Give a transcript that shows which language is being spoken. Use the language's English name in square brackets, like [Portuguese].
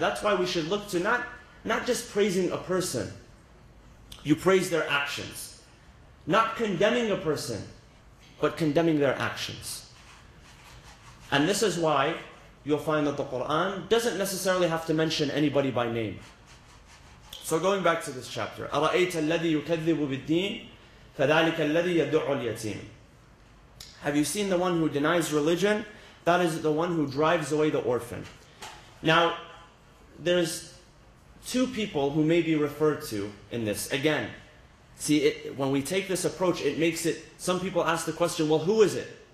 [English] That's why we should look to not just praising a person. You praise their actions. Not condemning a person, but condemning their actions. And this is why you'll find that the Qur'an doesn't necessarily have to mention anybody by name. So going back to this chapter, [Arabic] أَرَأَيْتَ الَّذِي يُكَذِّبُ بِالدِّينِ فَذَلِكَ الَّذِي يَدُعُ الْيَتِيمِ. [English] Have you seen the one who denies religion? That is the one who drives away the orphan. Now, there's two people who may be referred to in this. Again, see, when we take this approach, it makes it, some people ask the question, well, who is it?